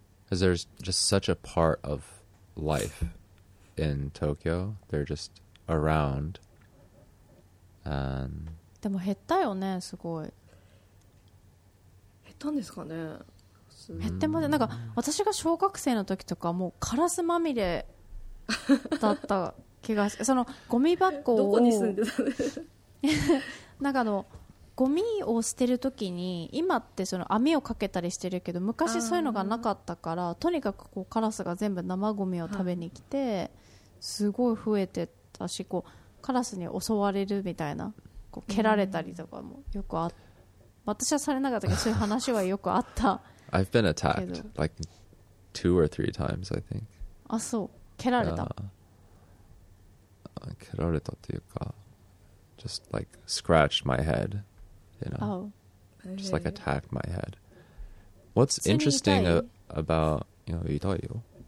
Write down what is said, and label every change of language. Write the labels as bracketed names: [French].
[English] Because there's just such a part of life in Tokyo. They're just around. [Japanese] でも減ったよね、すごい。減ったんですかね。減ってまで、なんか私が小学生の時とかもうカラスまみれだった。気がする。そのゴミ箱をどこに住んでたのなんかあのゴミを捨てるときに、今ってその網をかけたりしてるけど、昔そういうのがなかったから、とにかくこうカラスが全部生ゴミを食べに来て、はい、すごい増えてたし、こうカラスに襲われるみたいな、こう蹴られたりとかもよくあった。私はされなかったけど、そういう話はよくあった [English] I've been attacked like two or three times I think. [Japanese] あ、そう、蹴られた、蹴られたっていうか、 [English] just like scratched my head, you know,、 oh. just like attacked my head. What's interesting about, you know, [Japanese] 痛いよ。